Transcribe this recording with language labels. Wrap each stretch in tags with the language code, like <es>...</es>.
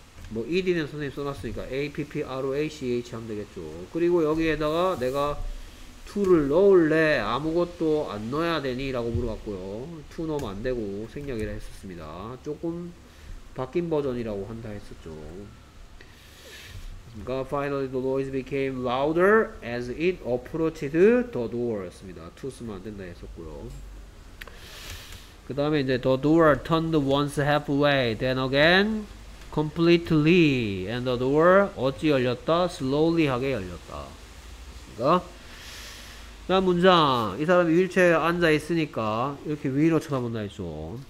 <ko>뭐 ed는 선생님 써놨으니까 approach 하면 되겠죠. 그리고 여기에다가 내가 to를 넣을래? 아무것도 안 넣어야 되니? 라고 물어봤고요. to 넣으면 안 되고 생략이라 했었습니다. 조금 바뀐 버전이라고 한다 했었죠.</ko> <en>그러니까 finally the noise became louder as it approached the door 였습니다.</en> <ko>to 쓰면 안 된다 했었고요. 그 다음에 이제</ko> <en>the door turned once halfway then again completely and the door</en> <ko>어찌 열렸다? slowly 하게 열렸다. 그러니까 자 문장 이 사람이 휠체어에 앉아 있으니까 이렇게 위로 쳐다본다 했죠.</ko>